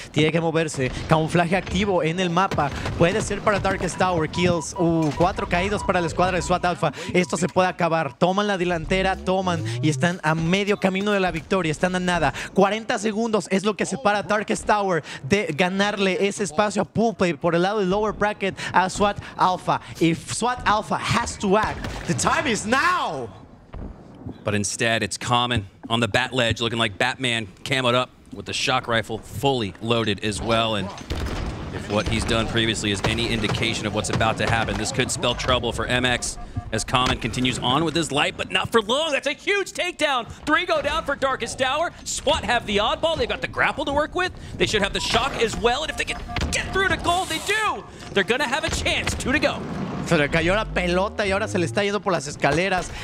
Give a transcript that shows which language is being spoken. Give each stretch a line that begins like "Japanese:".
Spanish: Tiene que moverse. Camuflaje activo en el mapa. Puede ser para Darkest Tower. Kills. Cuatro caídos para la escuadra de SWAT Alpha. Esto se puede acabar. Toman la delantera, toman y están a medio camino de la victoria. Están a nada. 40 segundos es lo que separa Darkest Tower de ganarle ese espacio a Poolplay por el lado del lower bracket a SWAT Alpha.
English: If SWAT Alpha has to act, the time is now. But instead, it's Common on the bat ledge, looking like Batman, camoed up with the shock rifle fully loaded as well. And if what he's done previously is any indication of what's about to happen, this could spell trouble for MX as Common continues on with his light, but not for long. That's a huge takedown. Three go down for Darkest Hour. SWAT have the oddball. They've got the grapple to work with. They should have the shock as well. And if they can get through to gold, they do. They're going to have a chance. Two to go.
Spanish: Se le cayó la pelota y ahora se le está yendo por las escaleras.